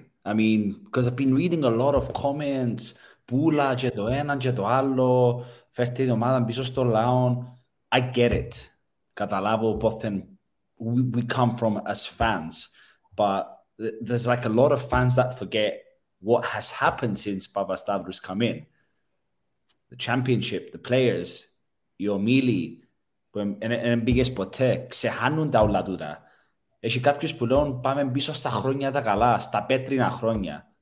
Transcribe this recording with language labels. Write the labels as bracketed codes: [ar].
[en] I mean, because I've been reading a lot of comments. [el] Πούλα, και το ένα, και το άλλο. Φέρτε την ομάδα πίσω στο λαό. [en] I get it. [el] Καταλάβω πότε [en] we come from as fans. But there's like a lot of fans that forget what has happened since Παπασταύρου's come in. The championship, the players, [el] οι ομίλοι, που δεν πήγες ποτέ, ξεχάνουν τα όλα τούτα. Έχει κάποιους που λέουν πάμε πίσω στα χρόνια τα καλά, στα πέτρινα χρόνια.